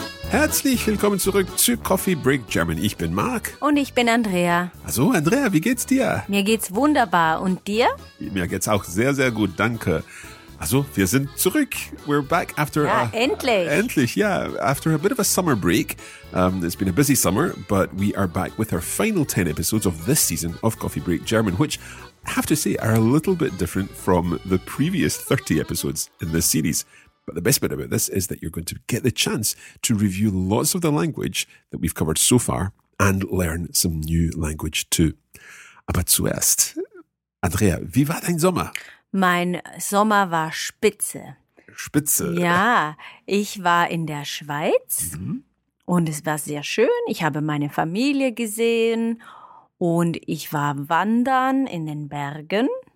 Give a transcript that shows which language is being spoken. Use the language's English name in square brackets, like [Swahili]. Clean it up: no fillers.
[German] Herzlich willkommen zurück zu Coffee Break German. Ich bin Marc. Und ich bin Andrea. Also Andrea, wie geht's dir? Mir geht's wunderbar. Und dir? Mir geht's auch sehr, sehr gut. Danke. Also, wir sind zurück. [English] We're back after... After a bit of a summer break. It's been a busy summer, but we are back with our final 10 episodes of this season of Coffee Break German, which, I have to say, are a little bit different from the previous 30 episodes in this series. But the best bit about this is that you're going to get the chance to review lots of the language that we've covered so far and learn some new language too. [German] Aber zuerst, Andrea, wie war dein Sommer? Mein Sommer war spitze. Spitze? Ja, ich war in der Schweiz und es war sehr schön. Ich habe meine Familie gesehen und ich war wandern in den Bergen.